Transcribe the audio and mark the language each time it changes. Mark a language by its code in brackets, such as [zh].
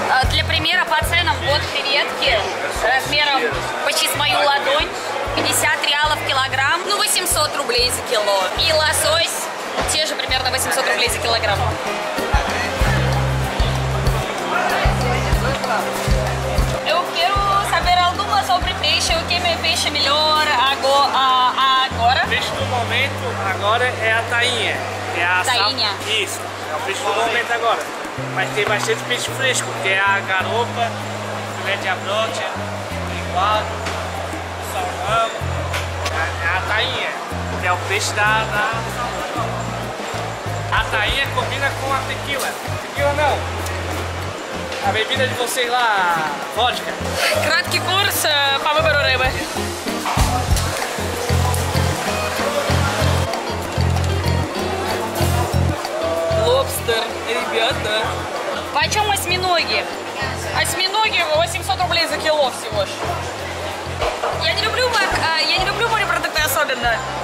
[ru] Для примера по ценам, вот креветки размером почти с мою ладонь. 50 реалов килограмм, ну 800 рублей за кило. И лосось, те же примерно 800 рублей за килограмм. [pt] Eu quero saber alguma sobre peixe, o que é meu peixe melhor agora? Peixe do momento agora é a tainha. É a tainha? Isso, é o peixe do momento agora. Mas tem bastante peixe fresco, que é a garopa, filé de abrote, linguado. A tainha, que é o peixe da... A tainha combina com a tequila. Tequila não. A bebida de vocês lá, vodka. [ru] Краткий курс по выбору рыбы. Лобстер, ребята. Почем осьминоги? Осьминоги 800 рублей за кило всего лишь. Я не люблю морепродукты особенно.